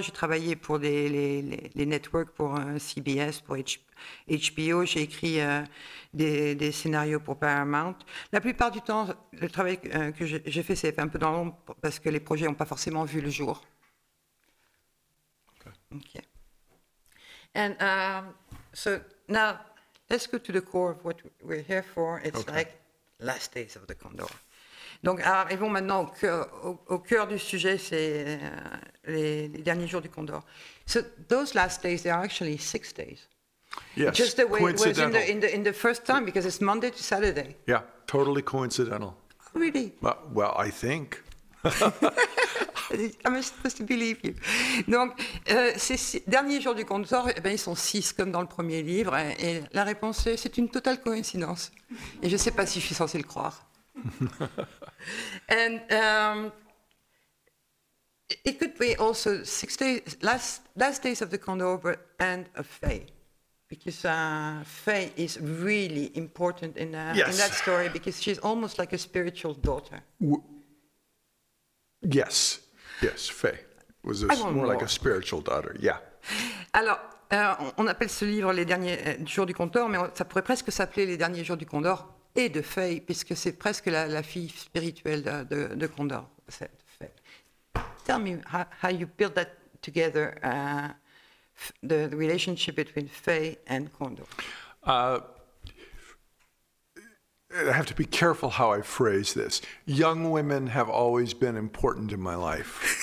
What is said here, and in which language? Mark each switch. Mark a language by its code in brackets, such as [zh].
[fr] J'ai travaillé pour les networks, pour CBS, pour HBO. J'ai écrit des scénarios pour Paramount. La plupart du temps, le travail que j'ai fait, c'est un peu dans l'ombre parce que les projets n'ont pas forcément vu le jour. [en] Okay. And so now let's go to the core of what we're here for. It's okay. Like Last Days of the Condor. [fr] Donc arrivons maintenant au cœur du sujet, c'est les derniers jours du Condor. [en] So those last days, they are actually 6 days. Yes. Just the way it was in the first time, because it's Monday to Saturday. Yeah, totally coincidental. Really? Well, I think. I'm supposed to believe you. [fr] Donc, ces derniers jours du Condor, eh ben, ils sont 6, comme dans le premier livre. Et la réponse est, c'est une totale coïncidence. Et je ne sais pas si je suis censée le croire. [en] And it could be also 6 days, last days of the Condor, but end of Faye. Because Faye is really important in that story, because she's almost like a spiritual daughter. Yes, Faye was more like a spiritual daughter, yeah. [fr] Alors, on appelle ce livre Les derniers jours du Condor, mais ça pourrait presque s'appeler Les derniers jours du Condor et de Faye, puisque c'est presque la fille spirituelle de Condor, cette Faye. [en] Tell me how you build that together, the relationship between Faye and Condor. I have to be careful how I phrase this. Young women have always been important in my life.